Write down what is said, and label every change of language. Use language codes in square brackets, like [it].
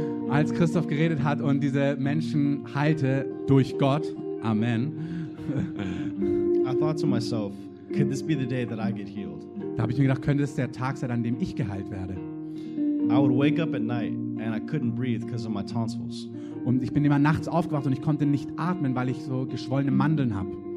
[de] Als Christoph geredet hat und diese Menschen heilte durch Gott. Amen. [en] I thought to myself, could this be the day that I get healed? [de] Da habe ich mir gedacht, könnte es der Tag sein, an dem ich geheilt werde. [en] I would wake up at night and I couldn't breathe because of my tonsils. [de] Und ich bin immer nachts aufgewacht und ich konnte nicht atmen, weil ich so geschwollene Mandeln habe.